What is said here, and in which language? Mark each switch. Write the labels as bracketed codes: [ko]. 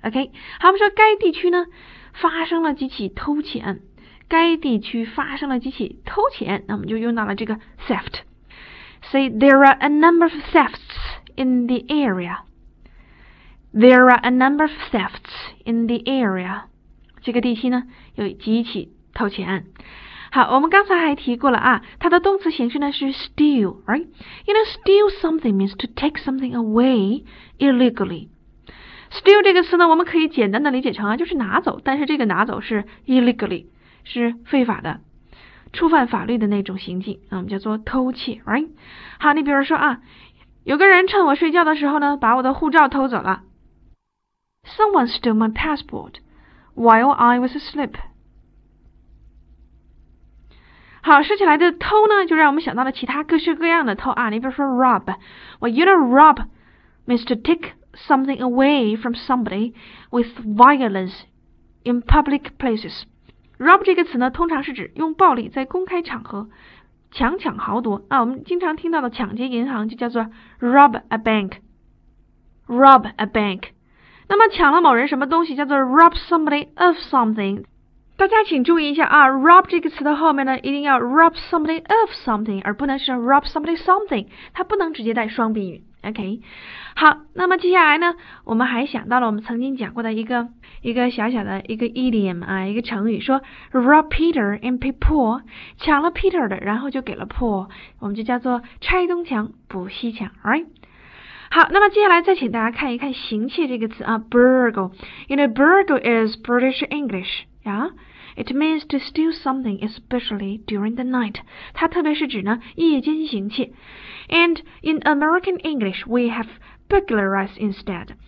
[zh] Okay, 好，我们说该地区呢发生了几起偷窃案，该地区发生了几起偷窃案，那我们就用到了这个 theft. [en] Say, there are a number of thefts in the area. There are a number of thefts in the area. [zh] 这个地区呢，有几起偷窃案。好，我们刚才还提过了啊，它的动词形式呢是 steal, right? [en] You know, steal something means to take something away illegally. [zh] Steal 这个词呢，我们可以简单的理解成啊，就是拿走，但是这个拿走是 illegally， 是非法的，触犯法律的那种行径，我们叫做偷窃 ，right？好，你比如说啊，有个人趁我睡觉的时候呢，把我的护照偷走了。 [en] Someone stole my passport while I was asleep。 [zh] 好，说起来的偷呢，就让我们想到了其他各式各样的偷啊，你比如说 rob， [en] well, you know rob means to take。 Something away from somebody with violence in public places. [zh] Rob 这个词呢，通常是指用暴力在公开场合强抢豪夺啊。我们经常听到的抢劫银行就叫做 rob a bank. [en] Rob a bank. [zh] 那么抢了某人什么东西叫做 [en] rob somebody of something. [zh] 大家请注意一下啊 ，rob 这个词的后面呢，一定要 rob somebody of something， 而不能是 rob somebody something， 它不能直接带双宾语。 OK， 好，那么接下来呢，我们还想到了我们曾经讲过的一个小小的一个 idiom 啊，一个成语，说 rob Peter and pay Paul， 抢了 Peter 的，然后就给了 Paul， 我们就叫做拆东墙补西墙 ，right？好，那么接下来再请大家看一看行窃这个词啊 ，burgle， [en] you know burgle is British English， yeah。 It means to steal something, especially during the night. [zh] 它特别是指呢夜间行窃。 [en] And in American English, we have burglarize instead.